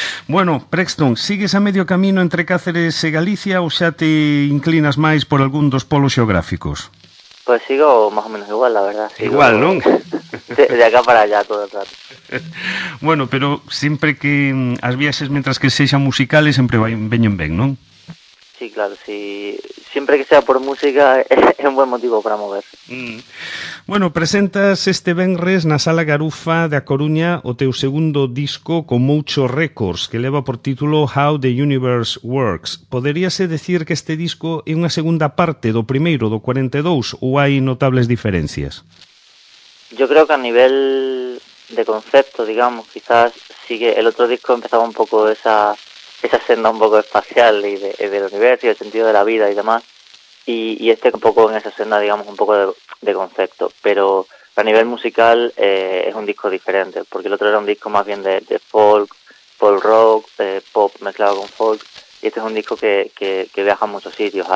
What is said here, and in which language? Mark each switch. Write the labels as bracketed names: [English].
[Galician] Bueno, Prexton, sigues a medio camino entre Cáceres e Galicia ou xa te inclinas máis por algún dos polos xeográficos? [Spanish] Pues sigo más o menos igual, la verdad. Sigo igual, ¿no? De acá para allá todo el rato. [Galician] Bueno, pero siempre que as viaxes, [Spanish] mientras que [Galician] sexan musicales, siempre veñen ben, ¿no? [Spanish] Sí, claro, sí. Siempre que sea por música, es un buen motivo para moverse. [Galician] Bueno, presentas este venres na Sala Garufa de A Coruña o teu segundo disco con Moucho Records, que leva por título How the Universe Works. Poderíase decir que este disco é unha segunda parte do primeiro, do 42, ou hai notables diferencias? [Spanish] Yo creo que a nivel de concepto, digamos, quizás sigue, el otro disco empezaba un poco esa senda un poco espacial y del universo y el sentido de la vida y demás, y este un poco en esa senda, digamos, un poco de concepto, pero a nivel musical es un disco diferente, porque el otro era un disco más bien de folk rock, pop mezclado con folk, y este es un disco que viaja a muchos sitios.